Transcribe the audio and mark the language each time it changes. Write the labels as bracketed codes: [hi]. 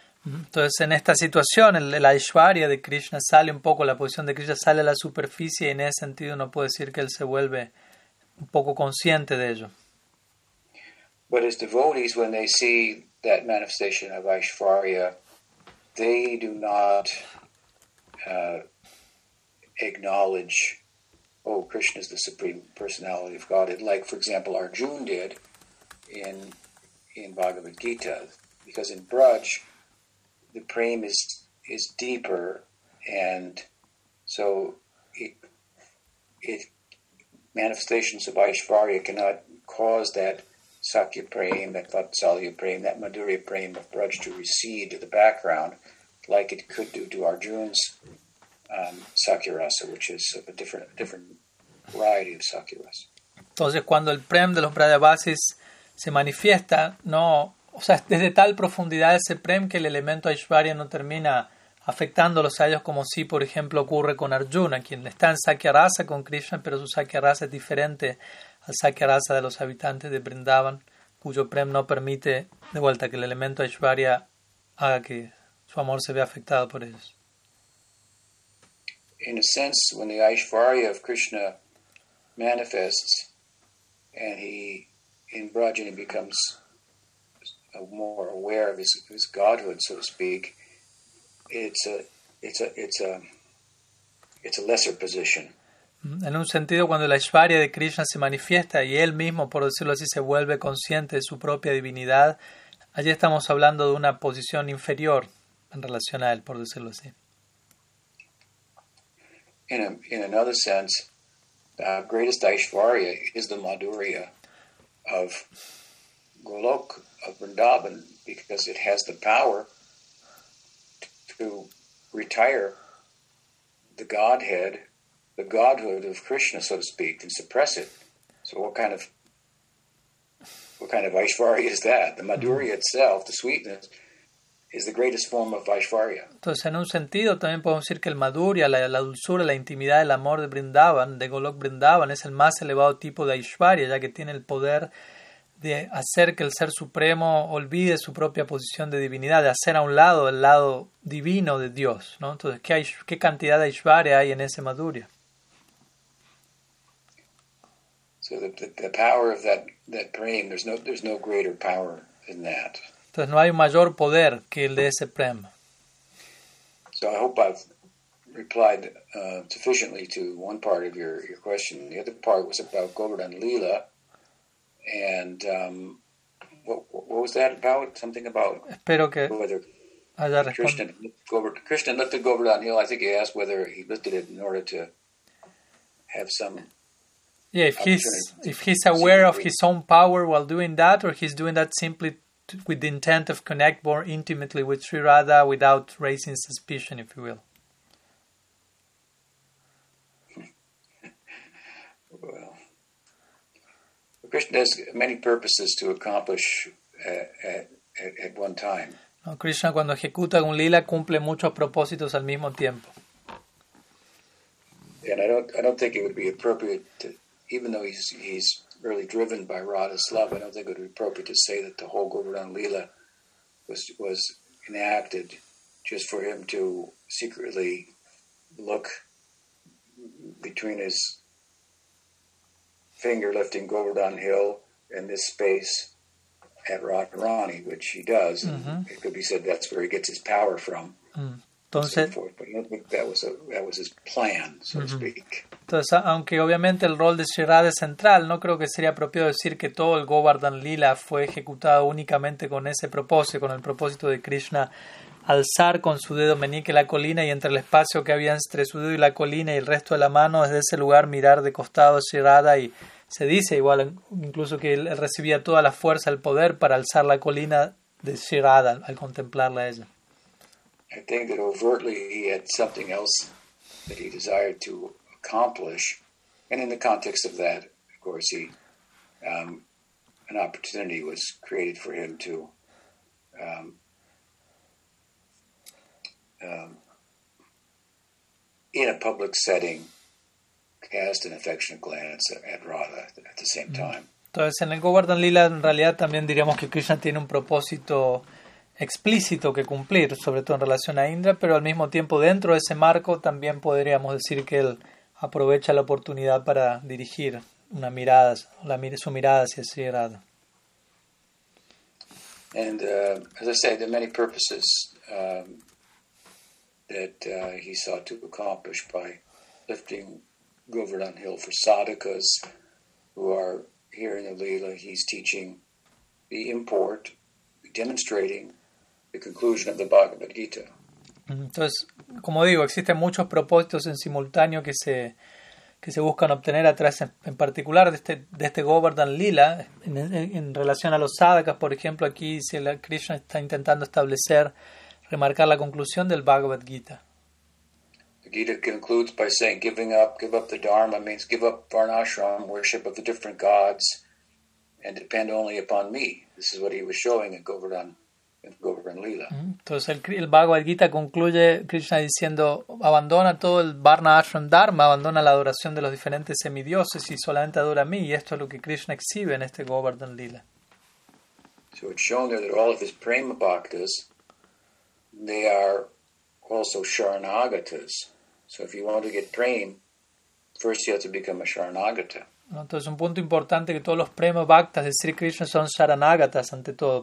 [es] Entonces, en esta situación, la Aishwarya de Krishna sale un poco, la posición de Krishna sale a la superficie y en ese sentido uno puede decir que él se vuelve un poco consciente de ello. [en] But as devotees, when they see that manifestation of Aishwarya, they do not acknowledge, oh, Krishna is the Supreme Personality of Godhead, like, for example, Arjuna did in Bhagavad Gita, because in Braj, the prema is deeper, and so it manifestations of Aishwarya cannot cause that Sakya prema, that Vatsalya prema, that Madhurya prema of Braj to recede to the background, like it could do to Arjuna's Sakya Rasa, which is of a different variety of Sakya Rasa. [es] Entonces, cuando el prema de los Brajavasis se manifiesta, no. O sea, desde tal profundidad ese prem que el elemento Aishwarya no termina afectándolos a ellos como si, por ejemplo, ocurre con Arjuna, quien está en Sakya Rasa con Krishna, pero su Sakya Rasa es diferente al Sakya Rasa de los habitantes de Vrindavan, cuyo prem no permite, de vuelta, que el elemento Aishwarya haga que su amor se vea afectado por ellos. [en] In a sense, when the Aishwarya of Krishna manifests and he, in Vrajana, becomes more aware of his godhood, so to speak, it's a lesser position. [es] En un sentido, cuando la Aishwarya de Krishna se manifiesta y él mismo, por decirlo así, se vuelve consciente de su propia divinidad, allí estamos hablando de una posición inferior en relación a él, por decirlo así. [en] In another sense, the greatest Aishwarya is the Madhurya of Golok, of Vrindavan, because it has the power to retire the Godhead, the godhood of Krishna, so to speak, and suppress it. So what kind of Aishwarya is that? The Madhurya itself, the sweetness, is the greatest form of Aishwarya. [es] Entonces, en un sentido, también podemos decir que el Madhurya, la dulzura, la intimidad, el amor de Vrindavan, de Golok Vrindavan, es el más elevado tipo de Aishwarya, ya que tiene el poder de hacer que el Ser Supremo olvide su propia posición de divinidad, de hacer a un lado el lado divino de Dios, ¿no? Entonces, ¿qué cantidad de Aishvarya hay en ese Madhurya? [en] So the power of that prema, there's no greater power than that. [es] Entonces no hay mayor poder que el de ese prema. [en] So I hope I've replied sufficiently to one part of your question. The other part was about Govardhan Lila. And what was that about? Something about [es] espero que [en] whether [es] haya [en] Krishna lifted Govardhan Hill. I think he asked whether he lifted it in order to have some. Yeah, if he's aware of his own power while doing that, or he's doing that simply with the intent of connect more intimately with Sri Radha without raising suspicion, if you will. Well, Krishna has many purposes to accomplish at one time. [es] No, Krishna, cuando ejecuta un lila, cumple muchos propósitos al mismo tiempo. [en] And I don't think it would be appropriate to, even though he's really driven by Radha's love, I don't think it would be appropriate to say that the whole Govardhan Lila was enacted just for him to secretly look between his finger lifting Govardhan Hill and this space at Radharani, which he does. Mm-hmm. It could be said that's where he gets his power from. Mm. [es] Entonces, [en] so forth. But I don't think that was his plan, so mm-hmm. to speak. [es] Entonces, aunque obviamente el rol de Sri Radha es central, no creo que sería apropiado decir que todo el Govardhan Lila fue ejecutado únicamente con ese propósito, con el propósito de Krishna alzar con su dedo meñique la colina y entre el espacio que había entre su dedo y la colina y el resto de la mano, desde ese lugar mirar de costado a Sri Radha y se dice igual incluso que él recibía toda la fuerza, el poder para alzar la colina de Sri Radha al contemplarla a ella. [en] I think that overtly he had something else that he desired to accomplish, and in the context of that, of course, he an opportunity was created for him to in a public setting cast an affectionate glance at Radha at the same time. [es] Entonces, en el Govardhan Lila, en realidad, también diríamos que Krishna tiene un propósito explícito que cumplir, sobre todo en relación a Indra, pero al mismo tiempo, dentro de ese marco, también podríamos decir que él aprovecha la oportunidad para dirigir una mirada, su mirada hacia Sri Radha. [en] And as I said, there are many purposes that he sought to accomplish by lifting Govardhan Hill for sadhakas who are here in the Leela. He's teaching the import, demonstrating the conclusion of the Bhagavad Gita. [es] Entonces, como digo, existen muchos propósitos en simultáneo que se buscan obtener atrás, en particular de este Govardhan Lila, en relación a los sadhakas, por ejemplo, aquí dice la Krishna está intentando establecer, remarcar la conclusión del Bhagavad Gita. [en] The Gita concludes by saying, give up the Dharma means give up Varnashram, worship of the different gods, and depend only upon me. This is what he was showing at Govardhan. [es] Entonces el Bhagavad Gita concluye Krishna diciendo abandona todo el Varna Ashram Dharma, abandona la adoración de los diferentes semidioses y solamente adora a mí, y esto es lo que Krishna exhibe en este Govardhan Lila. [en] So it's shown there that all of his prema bhaktas, they are also sharanagatas. So if you want to get prema, first you have to become a sharanagata. [es] Entonces, un punto importante que todos los prema bhaktas de Sri Krishna son saranagatas ante todo.